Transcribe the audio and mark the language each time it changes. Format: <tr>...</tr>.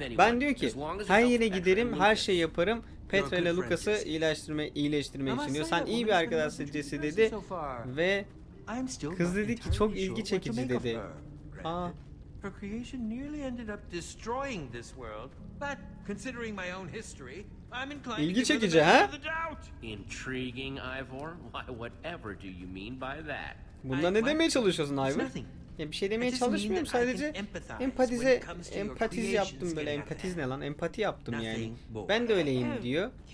<tr>Ben diyor ki her yere giderim, her şey yaparım. Petra ile Lucas'ı iyileştirmek için diyor. Sen iyi bir arkadaş seçicisi dedi. Ve kız dedi ki çok ilgi çekici dedi.</tr> <en>Her creation nearly ended up destroying this world, but considering my own history, I'm inclined to give the benefit of the doubt. Intriguing, Ivor. Why, whatever do you mean by that?</en> <tr>Bundan ne demeye çalışıyorsun Ivor? Ya bir şey demeye çalışmıyorum, sadece empatize yaptım böyle. Empatiz ne lan? Empati yaptım yani. Ben de öyleyim diyor.</tr>